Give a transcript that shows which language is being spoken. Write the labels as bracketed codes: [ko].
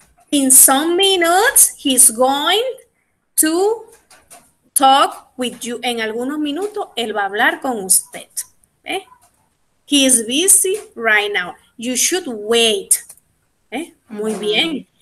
[en] In some minutes, he's going to talk with you. [es] En algunos minutos, él va a hablar con usted. [en] Okay. He is busy right now. You should wait. Okay. [es] Muy bien.